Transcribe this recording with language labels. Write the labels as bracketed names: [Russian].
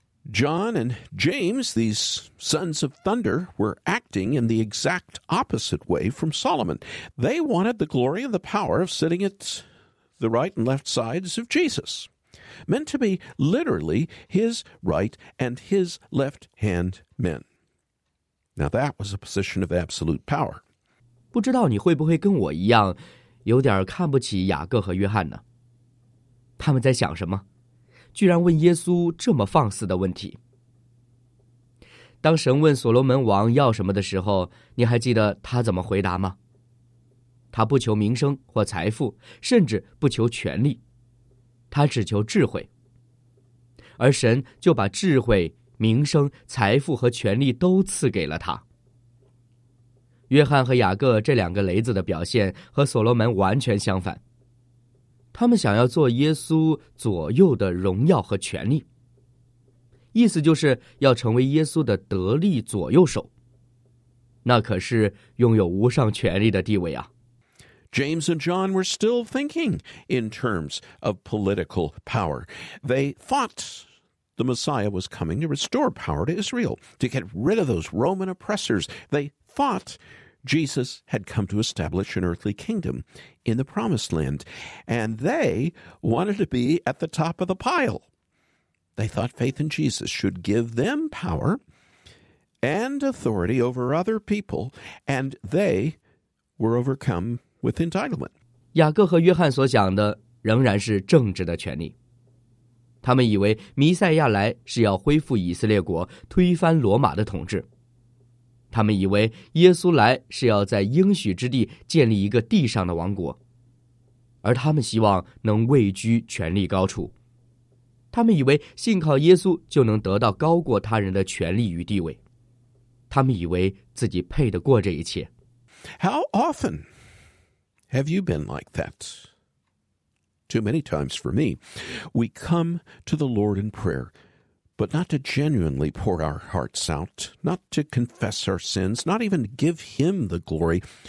[English] John and James, these sons of thunder, were acting in the exact opposite way from Solomon. They wanted the glory and the power of sitting at the right and left sides of Jesus, meant to be literally his right and his left-hand men. Now that was a position of absolute power. [Chinese] 不知道你会不会跟我一样，有点看不起雅各和约翰呢？他们在想什么？居然问耶稣这么放肆的问题。当神问所罗门王要什么的时候，你还记得他怎么回答吗？他不求名声或财富，甚至不求权力，他只求智慧。而神就把智慧、名声、财富和权力都赐给了他。约翰和雅各这两个雷子的表现和所罗门完全相反。他们想要做耶稣左右的荣耀和权力，意思就是要成为耶稣的得力左右手，那可是拥有无上权力的地位啊。 [English] James and John were still thinking in terms of political power. They thought the Messiah was coming to restore power to Israel, to get rid of those Roman oppressors. They thought Jesus had come to establish an earthly kingdom in the promised land, and they wanted to be at the top of the pile. They thought faith in Jesus should give them power and authority over other people, and they were overcome with entitlement. [Chinese] 雅各和约翰所讲的仍然是政治的权利。他们以为弥赛亚来是要恢复以色列国，推翻罗马的统治。他们以为耶稣来是要在应许之地建立一个地上的王国，而他们希望能位居权力高处。他们以为信靠耶稣就能得到高过他人的权力与地位，他们以为自己配得过这一切。 [English] How often have you been like that? Too many times for me. We come to the Lord in prayer. But not to genuinely pour our hearts out, not to confess our sins, not even give him the glory.